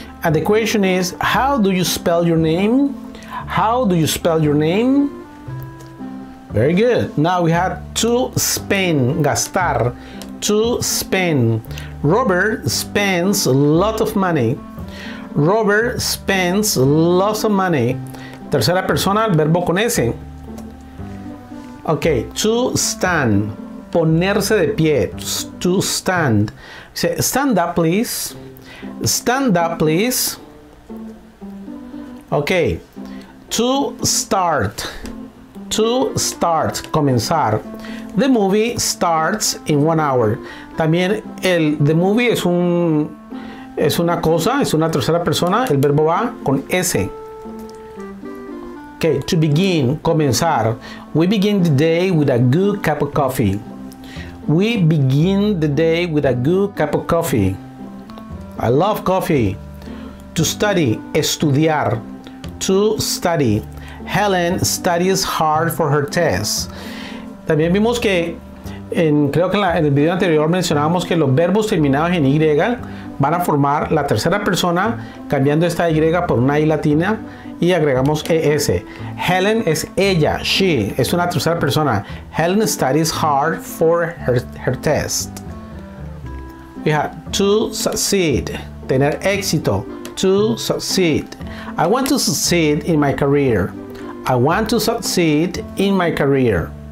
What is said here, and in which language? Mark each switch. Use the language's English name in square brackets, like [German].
[English] And the question is, how do you spell your name? How do you spell your name? Very good. Now we have to spend, gastar, to spend. Robert spends a lot of money. Robert spends lots of money. [Spanish] Tercera persona, verbo con S. [English] Okay, to stand, [Spanish] ponerse de pie, [English] to stand. Say, stand up, please. Stand up, please. Okay, to start, to start, comenzar. The movie starts in 1 hour. [Spanish] También el [English] the movie [Spanish] es un es una cosa, es una tercera persona, el verbo va con S. [English] Okay, to begin, comenzar. We begin the day with a good cup of coffee. We begin the day with a good cup of coffee. I love coffee. To study, estudiar. To study. Helen studies hard for her test. [Spanish] También vimos que, en, creo que en el video anterior mencionábamos que los verbos terminados en Y van a formar la tercera persona, cambiando esta Y por una I latina y agregamos ES. Helen es ella, she, es una tercera persona. [English] Helen studies hard for her test. We have to succeed, [Spanish] tener éxito, [English] to succeed. I want to succeed in my career. I want to succeed in my career.